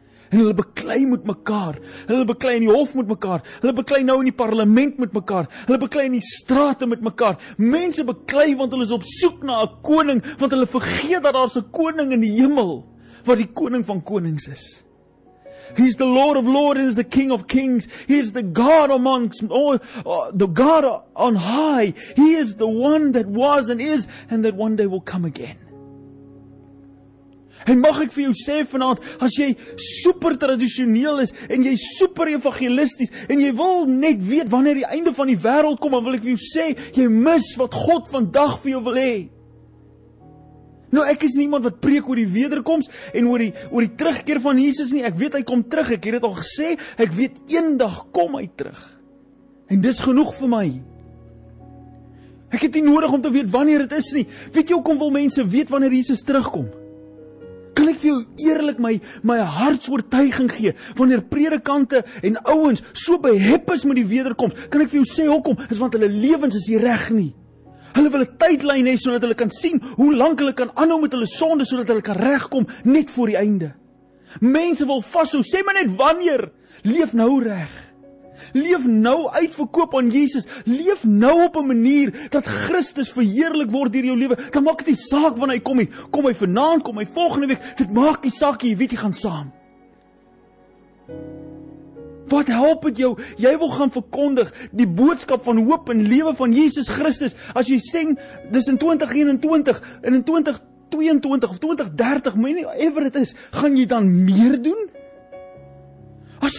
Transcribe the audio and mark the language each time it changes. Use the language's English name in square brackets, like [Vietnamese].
[Afrikaans] En hulle beklei met mekaar, hulle beklei in die hof met mekaar, hulle beklei nou in die parlement met mekaar, hulle beklei in die strate met mekaar. Mense beklei want hulle is op soek na 'n koning, want hulle vergeet dat daar 'n koning in die hemel wat die koning van konings is. [English] He is the Lord of lords and is the King of kings. He is the God amongst all, the God on high. He is the one that was and is and that one day will come again. [Afrikaans] En mag ek vir jou sê vanaand, as jy super tradisioneel is en jy super evangelisties en jy wil net weet wanneer die einde van die wêreld kom, dan wil ek vir jou sê, jy mis wat God vandag vir jou wil hê. Nou, ek is nie iemand wat preek oor die wederkoms en oor die terugkeer van Jesus nie. Ek weet hy kom terug, ek het dit al gesê, ek weet eendag kom hy terug. En dis genoeg vir my. Ek het nie nodig om te weet wanneer dit is nie. Weet jy hoekom wil mense weet wanneer Jesus terugkom? Kan ek vir jou eerlik my hartsoortuiging gee, wanneer predikante en ouens so behep is met die wederkoms, kan ek vir jou sê hoekom? Dis want hulle lewens is nie reg nie. Hulle wil 'n tydlyn hê sodat hulle kan sien hoe lank hulle kan aanhou met hulle sonde sodat hulle kan regkom net voor die einde. Mense wil vashou, sê maar net wanneer. Leef nou reg. Leef nou uitverkoop aan Jesus. Leef nou op 'n manier dat Christus verheerlik word deur jou lewe. Dan maak dit nie saak wanneer hy kom nie. Kom hy vanaand, kom hy volgende week, dit maak nie saak nie, weet jy, gaan saam. Wat help het jou? Jy wil gaan verkondig die boodskap van hoop en lewe van Jesus Christus. As jy sê, dis in 2021, en in 2022 of 2030, [English] whatever it is, [Afrikaans] gaan jy dan meer doen? As